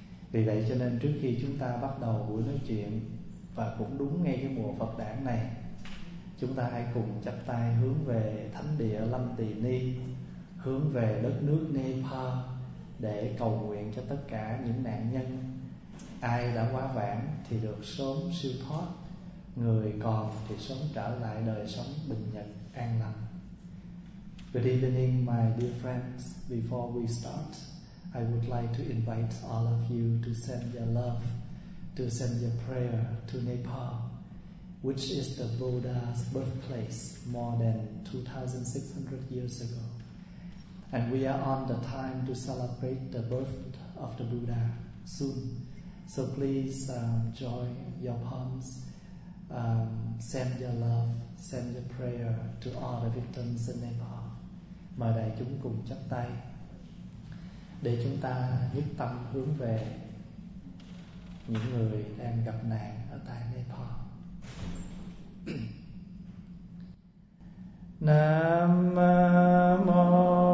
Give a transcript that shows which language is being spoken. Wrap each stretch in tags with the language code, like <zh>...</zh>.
<vi>Vì vậy cho nên trước khi chúng ta bắt đầu buổi nói chuyện, và cũng đúng ngay cái mùa Phật Đản này, chúng ta hãy cùng chắp tay hướng về thánh địa Lâm Tỳ Ni, hướng về đất nước Nepal, để cầu nguyện cho tất cả những nạn nhân, ai đã quá vãng thì được sớm siêu thoát, người còn thì sớm trở lại đời sống bình nhật an lành.</vi> <en>Good evening, my dear friends. Before we start, I would like to invite all of you to send your love, to send your prayer to Nepal, which is the Buddha's birthplace more than 2,600 years ago. And we are on the time to celebrate the birth of the Buddha soon. So please join your palms, send your love, send your prayer to all the victims in Nepal.</en> <vi>Mời đại chúng cùng chắp tay để chúng ta nhất tâm hướng về những người đang gặp nạn ở tại Nepal. Nam mô</vi>